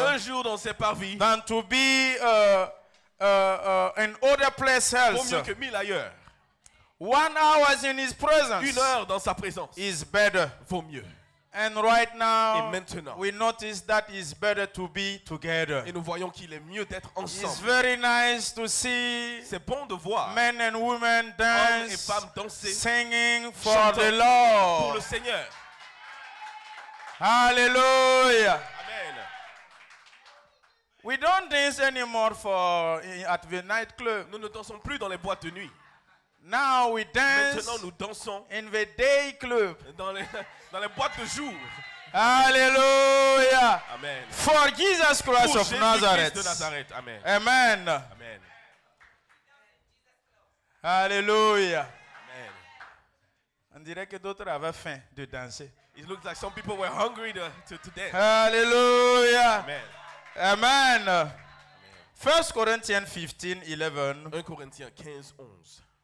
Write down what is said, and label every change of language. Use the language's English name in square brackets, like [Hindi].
[French] un jour dans ses parvis [English] than to be in other place else. [French] Vaut mieux que mille ailleurs. [English] 1 hour in his presence. [French] 1 heure dans sa présence. [English] Is better. [French] Vaut mieux. [English] And right now, [French] et maintenant, [English] we notice that it's better to be together. [French] Et nous voyons qu'il est mieux d'être ensemble. [English] It's very nice to see. [French] C'est bon de voir. [English] Men and women dance, [French] hommes et femmes danser, [English] singing for the Lord. [French] Pour le Seigneur. Hallelujah. Amen. [English] We don't dance anymore at the nightclub. [French] Nous ne dansons plus dans les boîtes de nuit. [English] Now we dance. [French] Maintenant nous dansons. [English] In the day club. [French] Dans les boîtes de jour. Alléluia. Amen. [English] For Jesus Christ [French] pour [English] of Jésus Nazareth. [French] Christ de Nazareth. Amen. Amen. Amen. Alléluia. Amen. On dirait que d'autres avaient faim de danser. [English] It looks like some people were hungry to dance. Alléluia. Amen. [French] Amen. 1 Corinthiens 15, 11. 1 Corinthiens 15, 11.